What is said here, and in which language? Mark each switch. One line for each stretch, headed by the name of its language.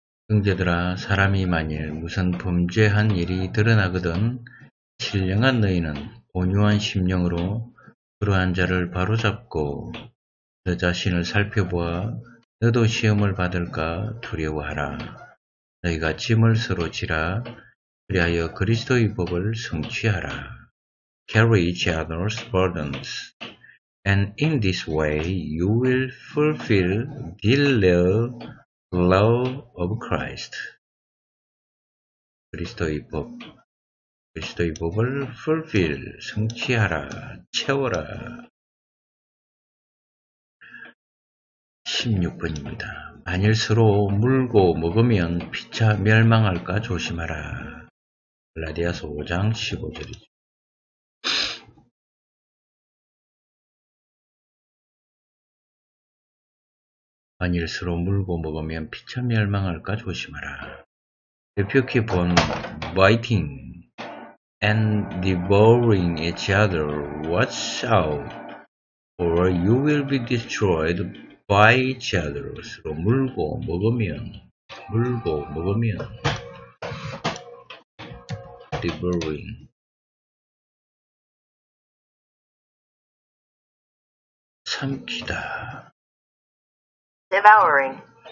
Korean: 형제들아, 사람이 만일 무슨 범죄한 일이 드러나거든 신령한 너희는 온유한 심령으로 그러한 자를 바로잡고 너 자신을 살펴보아 너도 시험을 받을까 두려워하라. 너희가 짐을 서로 지라. 그리하여 그리스도의 법을 성취하라.
English: Carry each other's burdens. And in this way you will fulfill the law of Christ.
Korean: 그리스도의 법. 그리스도의 법을 fulfill, 성취하라, 채워라. 16번입니다. 만일 서로 물고 먹으면 피차 멸망할까 조심하라. 갈라디아서 5장 15절이죠. 만일 서로 물고 먹으면 피차 멸망할까 조심하라. 대표기 본
English: biting and devouring each other, watch out, or you will be destroyed by each other.
Korean: 서로 물고 먹으면, 물고 먹으면.
English: Devouring.
Korean: 삼키다.
English: Devouring.